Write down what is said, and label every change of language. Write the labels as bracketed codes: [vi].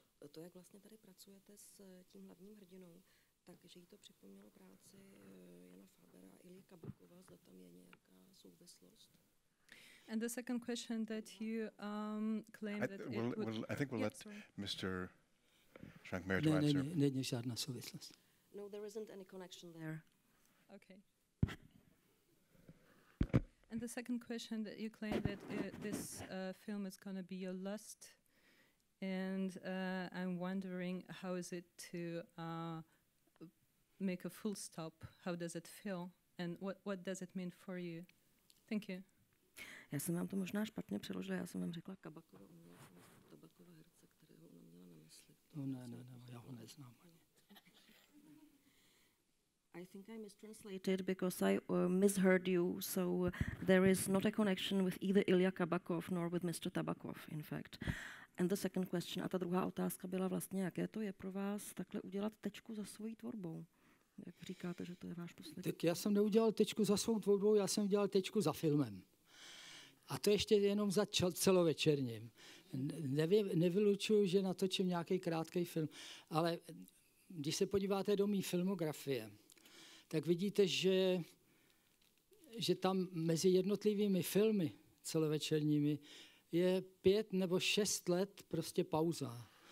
[cs] To, jak vlastně tady pracujete s tím hlavním hrdinou, takže jí to připomnělo práci Jana Fabera a Ilji Kabakova, zda tam je nějaká souvislost. [en] And the second question that you claim that I think we'll let Mr. Švankmajer to answer. Ne, žádná souvislost. No, there isn't any connection there. Okay. And the second question that you claim that this film is going to be your last, and I'm wondering how is it to make a full stop? How does it feel? And what does it mean for you? Thank you. [cs] Já jsem vám to možná špatně přeložila, já jsem vám řekla Kabakova, měla jsem Kabakova herce, kterého ona měla na mysli. No ne, já ho neznám ani. [en] I think I mistranslated because I misheard you. So there is not a connection with either Ilya Kabakov nor with Mr. Tabakov, in fact. And the second question, [cs] a ta druhá otázka byla vlastně, jaké to je pro vás takhle udělat tečku za svojí tvorbou? Jak říkáte, že to je váš poslední? Tak já jsem neudělal tečku za svou tvorbou, já jsem udělal tečku za filmem. A to ještě jenom za celovečerním. Nevylučuju, že natočím nějaký krátký film, ale když se podíváte do mý filmografie, tak vidíte, že tam mezi jednotlivými filmy celovečerními je 5 nebo 6 let prostě pauza.